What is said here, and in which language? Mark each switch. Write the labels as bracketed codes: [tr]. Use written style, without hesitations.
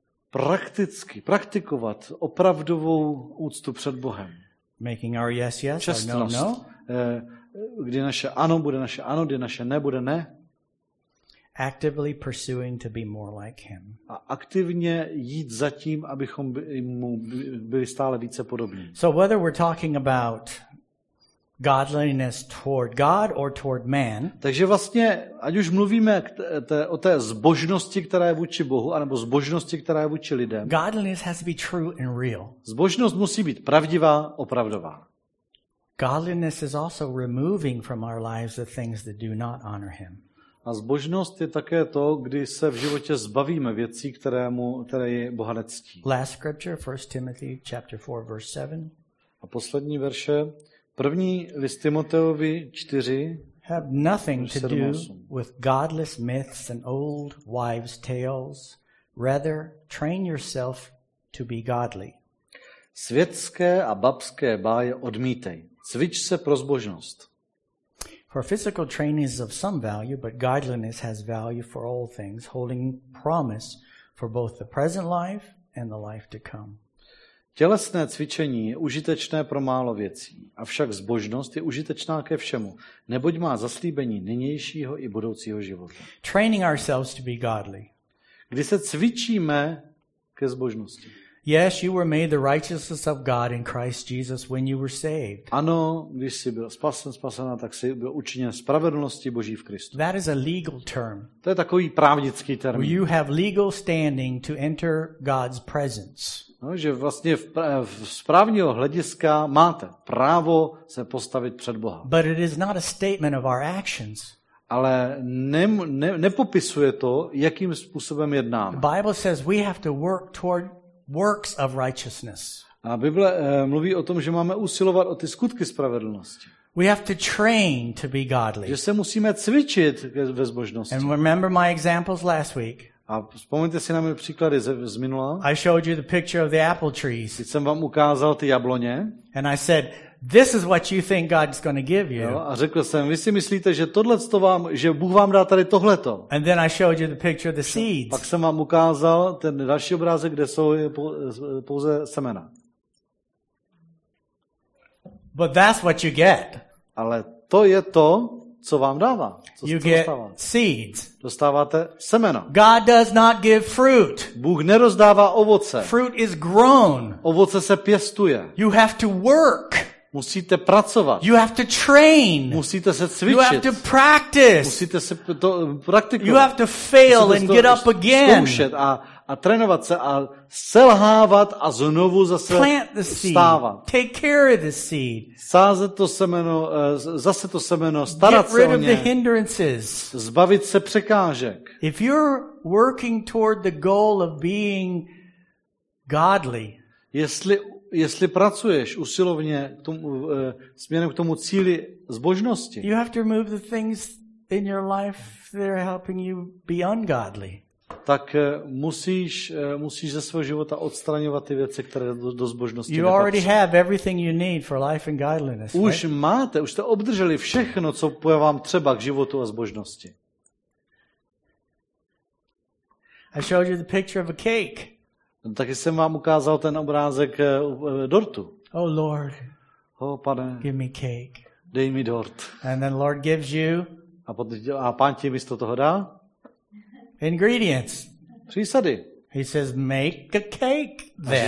[cs] Prakticky praktikovat opravdovou úctu před Bohem. [en] Making our yes yes, [cs] čestnost, [en] or no no. [cs] Kdy naše ano bude naše ano, kdy naše ne bude ne. [en] Actively pursuing to be more like him. [cs] A aktivně jít za tím, abychom mu byli stále více podobní. [en] So whether we're talking about godliness toward God or toward man. [cs] Takže vlastně, ať už mluvíme o té zbožnosti, která je vůči Bohu, anebo zbožnosti, která je vůči lidem. [en] Godliness has to be true and real. [cs] Zbožnost musí být pravdivá, opravdová. [en] Godliness is also removing from our lives the things that do not honor him. [cs] A zbožnost je také to, kdy se v životě zbavíme věcí, které je Boha nectí. [en] Last scripture, 1 Timothy chapter 4 verse 7. [cs] A poslední verše první list Timoteovi 4. [en] Have nothing to do with godless myths and old wives' tales. Rather, train yourself to be godly. [cs] Světské a babské báje odmítej. Cvič se pro zbožnost. [en] For physical training is of some value, but godliness has value for all things, holding promise for both the present life and the life to come. [cs] Tělesné cvičení je užitečné pro málo věcí, avšak zbožnost je užitečná ke všemu, neboť má zaslíbení nynějšího i budoucího života. [en] Training ourselves to be godly. [cs] Kdy se cvičíme ke zbožnosti. [en] Yes, you were made the righteousness of God in Christ Jesus when you were saved. [cs] Ano, když jsi byl spasená, tak jsi byl učiněn spravedlností Boží v Kristu. [en] That is a legal term. [cs] To je takový právnický termín. [en] You have legal standing to enter God's presence. [cs] No, že vlastně z právního hlediska máte právo se postavit před Boha. [en] But it is not a statement of our actions. [cs] Ale nepopisuje to, jakým způsobem jednáme. [en] The Bible says we have to work toward works of righteousness. [cs] A Bible mluví o tom, že máme usilovat o ty skutky spravedlnosti. [en] We have to train to be godly. [cs] Že se musíme cvičit ve zbožnosti. [en] And remember my examples last week. [cs] A vzpomeňte si na mé příklady z minula. [en] I showed you the picture of the apple trees. [cs] Když jsem vám ukázal ty jabloně. [en] And I said, this is what you think God's going to give you. [cs] Jo, a řekl jsem, vy si myslíte, že tohle to vám, že Bůh vám dá tady tohleto. [en] And then I showed you the picture of the seeds. [cs] Pak jsem vám ukázal ten další obrázek, kde jsou pouze semena. [en] But that's what you get. [cs] Ale to je to, co vám dává. [en] You get seeds. [cs] Dostáváte semena. [en] God does not give fruit. [cs] Bůh nerozdává ovoce. [en] Fruit is grown. [cs] Ovoce se pěstuje. [en] You have to work. [cs] Musíte pracovat. [en] You have to train. [cs] Musíte se cvičit. [en] You have to practice. [cs] Musíte se to praktikovat. [en] You have to fail and get up again. [cs] Zkoušet a trénovat se a selhávat a znovu zase [en] plant the seed, [cs] stávat. [en] Take care of the seed. [cs] Sázet to semeno, zase to semeno, starat se o ně. [en] Get rid of the hindrances. [cs] Zbavit se překážek. [en] If you're working toward the goal of being godly. [cs] Jestli pracuješ usilovně k tomu, směrem k tomu cíli zbožnosti. [en] You have to remove the things in your life that are helping you be ungodly. [cs] Tak musíš ze svého života odstraňovat ty věci, které do zbožnosti nepatří. [en] You already have everything you need for life and godliness. [cs] Už máte, už jste obdrželi všechno, co je vám třeba k životu a zbožnosti. [en] I showed you the picture of a cake. [cs] Taky jsem vám ukázal ten obrázek dortu. [en] Oh Lord. [cs] Oh Pane. [en] Give me cake. [cs] Dej mi dort. [en] And then Lord gives you. [cs] A Pán ti místo toho dá. [en] Ingredients. [cs] Přísady. [en] He says make a cake then.